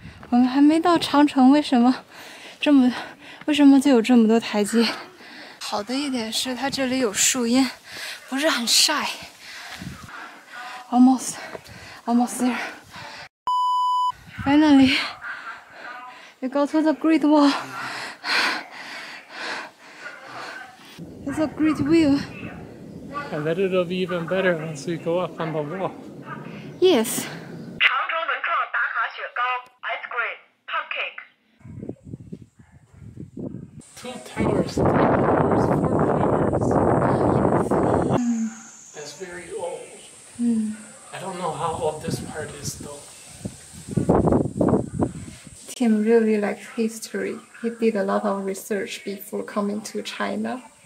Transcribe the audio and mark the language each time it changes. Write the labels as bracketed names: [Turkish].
[Chinese] 我们还没到长城，为什么就有这么多台阶？好的一点是它这里有树荫，不是很晒。 [English] almost there, finally we go to the great wall. It's a great view, and that it'll be even better once we go up on the wall. Yes. [Chinese] 长城门口打卡雪糕 [English] ice cream pancake. Two towers, three towers, four towers. Yes. That's very old. I don't know how old this part is though. Tim really likes history. He did a lot of research before coming to China.